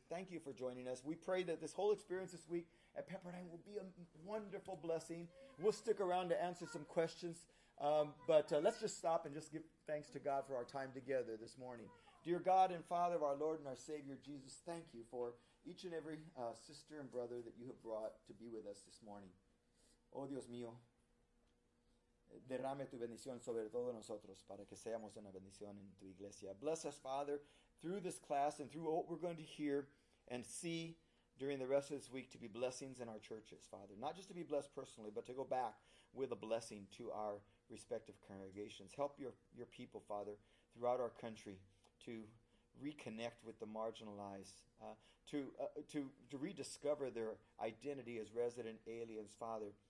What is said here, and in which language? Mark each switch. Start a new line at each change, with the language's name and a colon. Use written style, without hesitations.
English: Thank you for joining us. We pray that this whole experience this week at Pepperdine will be a wonderful blessing. We'll stick around to answer some questions. But let's just stop and just give thanks to God for our time together this morning. Dear God and Father of our Lord and our Savior Jesus, thank you for each and every sister and brother that you have brought to be with us this morning.
Spanish: Oh, Dios mío, derrame tu bendición sobre todos nosotros para que seamos una bendición en tu iglesia.
English: Bless us, Father, through this class and through what we're going to hear and see during the rest of this week to be blessings in our churches, Father. Not just to be blessed personally, but to go back with a blessing to our respective congregations. Help your people, Father, throughout our country to reconnect with the marginalized, to rediscover their identity as resident aliens, Father.